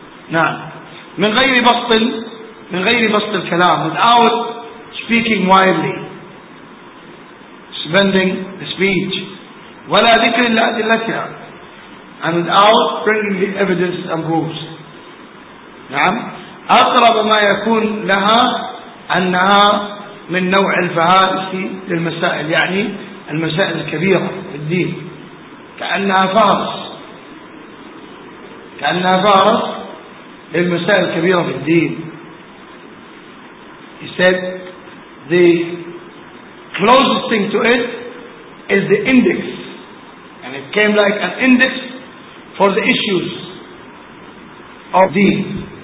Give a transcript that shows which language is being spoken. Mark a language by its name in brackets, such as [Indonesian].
[Arabic] نعم من غير بسط، من غير بسط الكلام، [English] without speaking wildly, spending the speech. [Arabic] ولا ذكر لأدلتها، [English] and without bringing the evidence and proofs. [Arabic] نعم أقرب ما يكون لها أنها من نوع الفهارس للمسائل، يعني المسائل الكبيرة في الدين، كأنها فهرس، كأنها فهرس للمسائل الكبيرة في الدين. [English] He said the closest thing to it is the index, and it came like an index for the issues of deen.